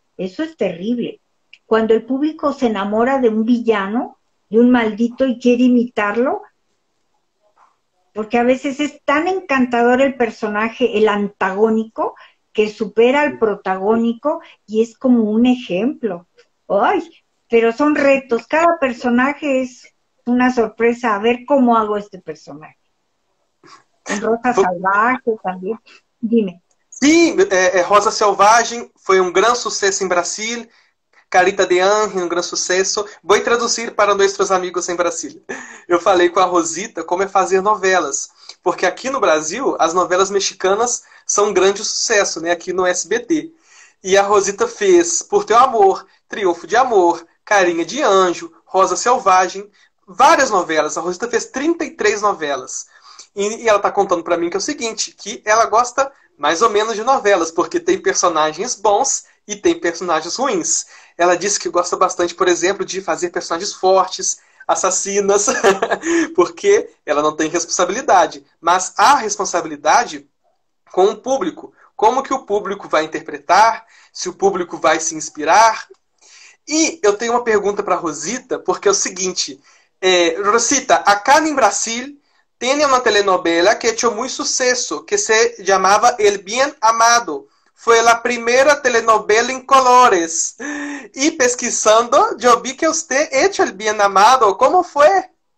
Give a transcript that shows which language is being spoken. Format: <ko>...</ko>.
<es>Eso es terrible. Cuando el público se enamora de un villano, de un maldito, y quiere imitarlo, porque a veces es tan encantador el personaje, el antagónico, que supera al protagónico y es como un ejemplo. ¡Ay! Pero son retos. Cada personaje es una sorpresa. A ver cómo hago este personaje. Rosa Salvaje también, dime.</es> <pt>Sim, Rosa Selvaje foi um grande sucesso em Brasil. Carita de Ángel, um grande sucesso. Vou traduzir para nossos amigos em Brasil. Eu falei com a Rosita como é fazer novelas. Porque aqui no Brasil, as novelas mexicanas são um grande sucesso, né? Aqui no SBT. E a Rosita fez Por Teu Amor, Triunfo de Amor, Carinha de Anjo, Rosa Selvaje, várias novelas. A Rosita fez 33 novelas. E ela está contando para mim que é o seguinte, que ela gosta mais ou menos de novelas, porque tem personagens bons e tem personagens ruins. Ela disse que gosta bastante, por exemplo, de fazer personagens fortes, assassinas, porque ela não tem responsabilidade. Mas há responsabilidade com o público. Como que o público vai interpretar? Se o público vai se inspirar? E eu tenho uma pergunta para Rosita, porque é o seguinte...</pt> <es>Rosita, acá en Brasil tiene una telenovela que echó muy suceso, que se llamaba El Bien Amado. Fue la primera telenovela en colores. Y pesquisando, yo vi que usted echó El Bien Amado. ¿Cómo fue?</es>